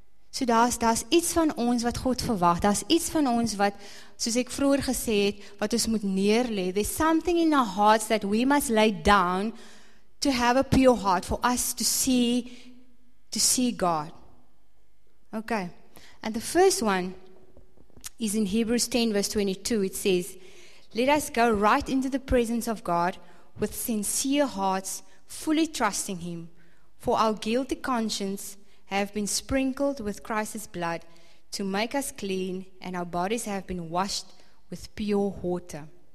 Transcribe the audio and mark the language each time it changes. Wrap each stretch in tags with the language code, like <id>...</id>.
<af>So daar's iets van ons wat God verwag. Daar's iets van ons wat, soos ek vroeër gesê het, wat ons moet neerlê.</af> <en>There's something in our hearts that we must lay down to have a pure heart for us to see God. Okay. And the first one is in Hebrews 10 verse 22. It says, "Let us go right into the presence of God with sincere hearts, fully trusting him, for our guilty conscience have been sprinkled with Christ's blood to make us clean, and our bodies have been washed with pure water."</en>